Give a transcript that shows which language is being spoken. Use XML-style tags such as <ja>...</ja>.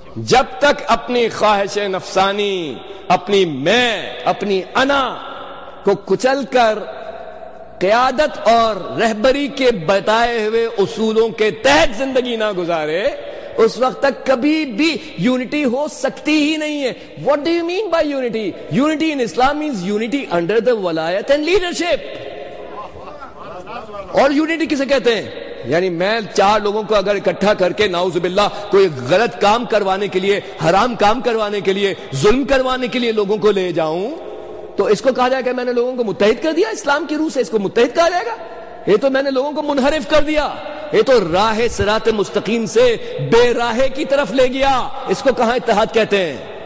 <ur>جب تک اپنی خواہش نفسانی، اپنی میں، اپنی انا کو کچل کر قیادت اور رہبری کے بتائے ہوئے اصولوں کے تحت زندگی نہ گزارے، اس وقت تک کبھی بھی یونٹی ہو سکتی ہی نہیں ہے۔</ur> <en>What do you mean by unity? Unity in Islam means unity under the ولایت and leadership.</en> <ur>اور یونٹی کسے کہتے ہیں؟ یعنی میں چار لوگوں کو اگر اکٹھا کر کے نعوذ باللہ کوئی غلط کام کروانے کے لیے، حرام کام کروانے کے لیے، ظلم کروانے کے لیے لوگوں کو لے جاؤں، تو اس کو کہا جائے گا کہ میں نے لوگوں کو متحد کر دیا؟ اسلام کی روح سے اس کو متحد کہا جائے گا؟ یہ تو میں نے لوگوں کو منحرف کر دیا، یہ تو راہ صراط مستقیم سے بے راہے کی طرف لے گیا، اس کو کہاں اتحاد کہتے ہیں؟</ur>